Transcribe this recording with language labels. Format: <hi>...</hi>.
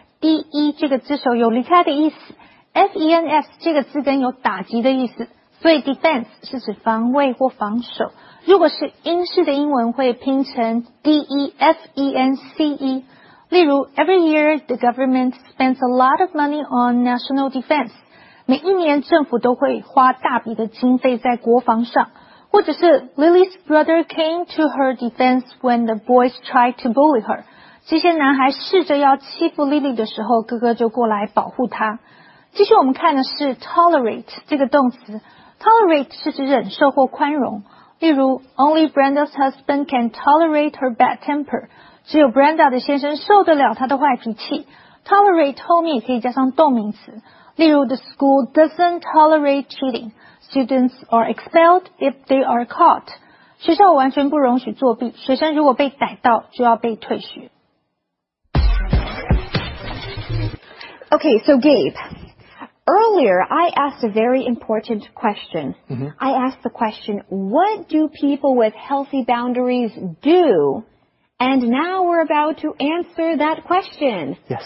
<zh>第一，这个字首有离开的意思。Fence 这个字根有打击的意思，所以 defense 是指防卫或防守。如果是英式的英文，会拼成 defence。例如</zh> <en>，Every year the government spends a lot of money on national defense。</en> <zh>每一年政府都会花大笔的经费在国防上。或者是</zh> <en>Lily's brother came to her defense when the boys tried to bully her。</en> <zh>这些男孩试着要欺负 Lily 的时候，哥哥就过来保护她。继续我们看的是 tolerate 这个动词。tolerate 是指忍受或宽容。例如</zh> <en>,only Brenda's husband can tolerate her bad temper。</en> <zh>只有 Brenda 的先生受得了她的坏脾气。tolerate 后面也可以加上动名词。例如</zh> <en>,the school doesn't tolerate cheating。 Students are expelled if they are caught.</en> <zh>学校完全不容许作弊，学生如果被逮到就要被退学。</zh> <en>Okay, so Gabe, earlier I asked a very important question. Mm-hmm. I asked the question, what do people with healthy boundaries do? And now we're about to answer that question.</en>